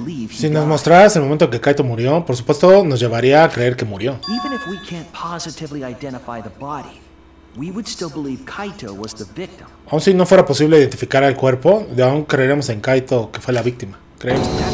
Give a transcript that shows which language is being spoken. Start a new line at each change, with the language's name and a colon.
Spanish: Si nos mostraras el momento en que Kaito murió, por supuesto nos llevaría a creer que murió.
English: Even if we can't positively identify the body, we would still believe Kaito was the victim.
Spanish: Aun si no fuera posible identificar al cuerpo, de aún creeremos en Kaito que fue la víctima. Creemos.